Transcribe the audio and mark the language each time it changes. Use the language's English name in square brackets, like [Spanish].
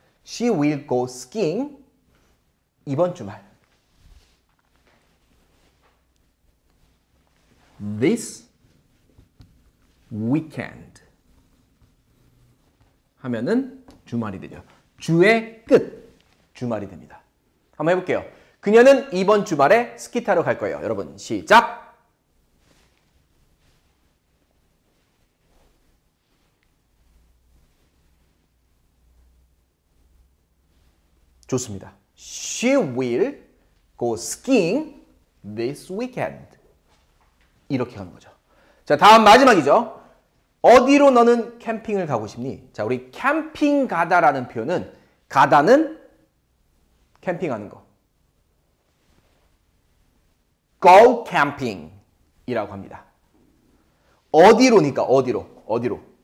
[English] She will go skiing [Korean] 이번 주말. [English] This weekend [Korean] 하면은 주말이 되죠. 주의 끝. 주말이 됩니다. 한번 해볼게요. 그녀는 이번 주말에 스키 타러 갈 거예요. 여러분 시작. [English] She will go skiing this weekend. [Korean] 이렇게 하는 거죠. 자, 다음 마지막이죠. 어디로 너는 캠핑을 가고 싶니? 자, 우리 캠핑 가다라는 표현은 가다는 캠핑하는 거. [English] Go camping [Korean] 이라고 합니다. 어디로니까 어디로.